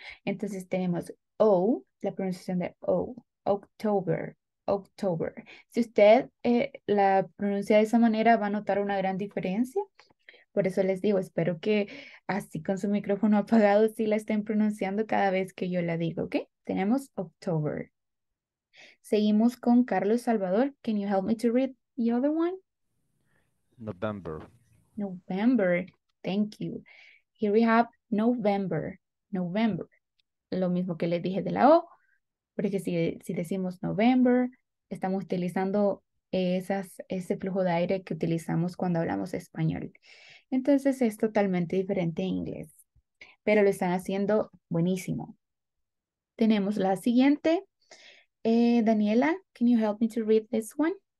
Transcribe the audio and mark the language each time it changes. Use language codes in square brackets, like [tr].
[es] Entonces tenemos O, la pronunciación de O, October, October. Si usted la pronuncia de esa manera, va a notar una gran diferencia. Por eso les digo, espero que así con su micrófono apagado sí la estén pronunciando cada vez que yo la digo, ¿ok? Tenemos October. Seguimos con Carlos Salvador. [en] Can you help me to read the other one? November. November. Thank you. Here we have November. November. [es] Lo mismo que les dije de la O, porque si decimos November, estamos utilizando ese flujo de aire que utilizamos cuando hablamos español. Entonces es totalmente diferente en inglés, pero lo están haciendo buenísimo. Tenemos la siguiente. [en] Daniela, can you help me to read this one?